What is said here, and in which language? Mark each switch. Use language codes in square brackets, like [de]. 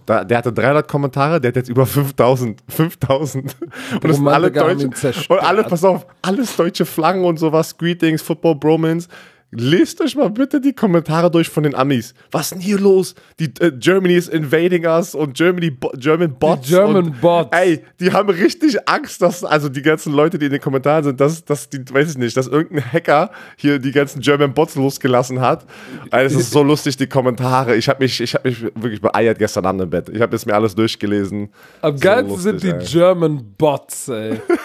[de] Der hatte 300 Kommentare, der hat jetzt über 5000. Und es sind alle Deutsche. Und alle, pass auf, alles deutsche Flaggen und sowas. [en] Greetings, Football Bromans. [de] Lest euch mal bitte die Kommentare durch von den Amis. Was ist denn hier los? [en] Germany is invading us [de] und [en] German Bots. [de] Ey, die haben richtig Angst, dass, also die ganzen Leute, die in den Kommentaren sind, dass die, weiß ich nicht, dass irgendein Hacker hier die ganzen German Bots losgelassen hat. Es ist so lustig, die Kommentare. Ich hab mich wirklich beeiert gestern Abend im Bett. Ich habe jetzt mir alles durchgelesen. Am geilsten sind die German Bots, ey.